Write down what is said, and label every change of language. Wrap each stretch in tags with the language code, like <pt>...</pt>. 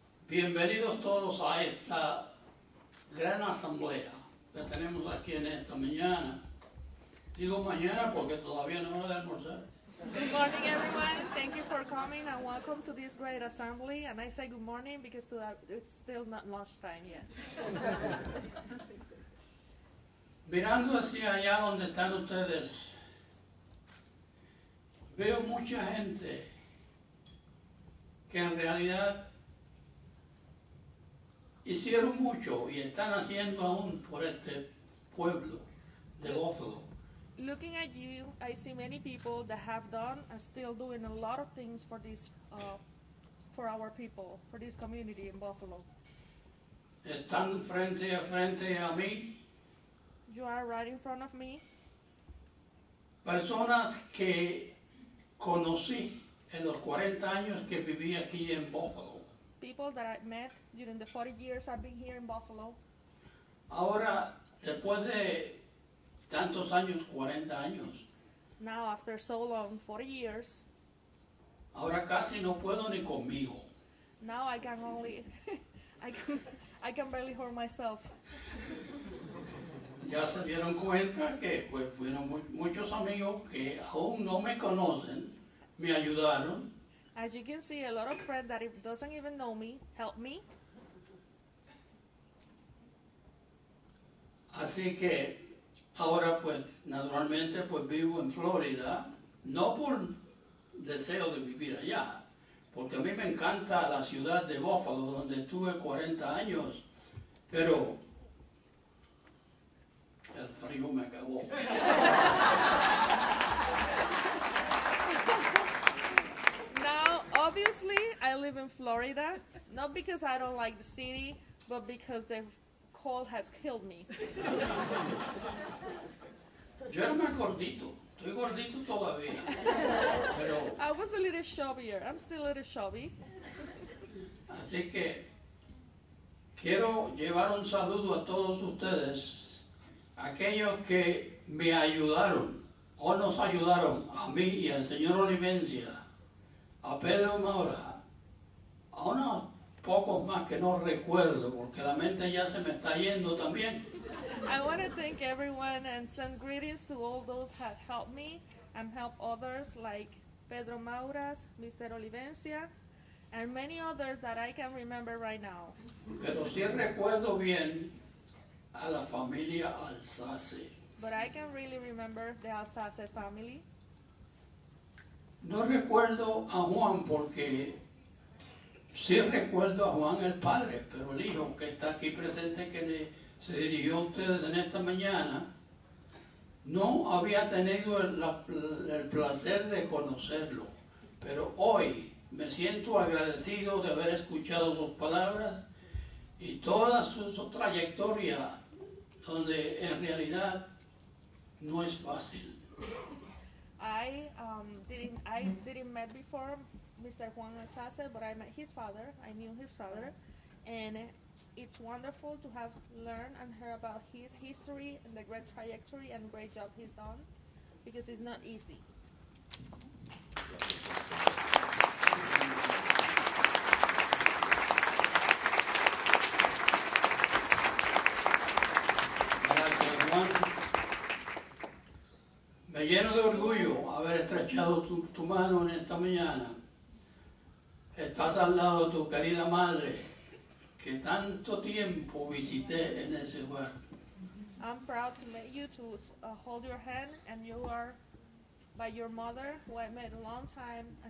<es>Bienvenidos todos a esta gran asamblea que tenemos aquí en esta mañana. Digo mañana porque todavía no es hora de almorzar.</es> <en>Good morning, everyone. Thank you for coming and welcome to this great assembly. And I say good morning because it's still not lunchtime yet.</en> <es>Mirando hacia allá donde están ustedes, veo mucha gente que en realidad hicieron mucho y están haciendo aún por este pueblo de Buffalo.</es> <en>Looking at you, I see many people that have done and still doing a lot of things for this, for our people, for this community in Buffalo.</en> <es>Están frente a frente a mí.</es> <en>You are right in front of me.</en> <es>Personas que conocí en los 40 años que viví aquí en Buffalo.</es> <en>People that I met during the 40 years I've been here in Buffalo.</en> <es>Ahora, después de tantos años, 40 años.</es> <en>Now, after so long, 40 years.</en> <es>Ahora casi no puedo ni conmigo.</es> <en>Now I can only, I can barely hold myself.</en> <es>Ya se dieron cuenta que pues fueron muchos amigos que aún no me conocen, me ayudaron.</es> <en>As you can see, a lot of friends that doesn't even know me, help me.</en> <es>Así que ahora pues naturalmente pues vivo en Florida, no por deseo de vivir allá, porque a mí me encanta la ciudad de Buffalo, donde estuve 40 años, pero el frío me acabó.</es> <en>Now, obviously, I live in Florida, not because I don't like the city, but because the cold has killed me.</en> <es>Yo era más gordito. Estoy gordito todavía.</es> <en>I was a little chubbier. I'm still a little chubby.</en> <es>Así que quiero llevar un saludo a todos ustedes, aquellos que me ayudaron o nos ayudaron a mí y al señor Olivencia, a Pedro Maura, a unos pocos más que no recuerdo porque la mente ya se me está yendo también.</es> <en>I want to thank everyone and send greetings to all those who have helped me and helped others like Pedro Mauras, Mr. Olivencia, and many others that I can remember right now.</en> <es>Pero sí recuerdo bien a la familia Alsace.</es> <en>But I can really remember the Alsace family.</en> <es>No recuerdo a Juan porque sí recuerdo a Juan el padre, pero el hijo que está aquí presente que le se dirigió a ustedes en esta mañana, no había tenido el placer de conocerlo, pero hoy me siento agradecido de haber escuchado sus palabras y toda su trayectoria, donde en realidad no es fácil.</es> <en>I didn't meet before Mr. Juan Alsace, but I met his father, I knew his father, and it's wonderful to have learned and heard about his history and the great trajectory and great job he's done, because it's not easy.</en> <es>Gracias, Juan. Me lleno de orgullo haber estrechado tu mano en esta mañana. Estás al lado de tu querida madre, que tanto tiempo visité en ese lugar.</es> <en>I'm proud to meet you, to hold your hand, and you are by your mother, who I met a long time.</en>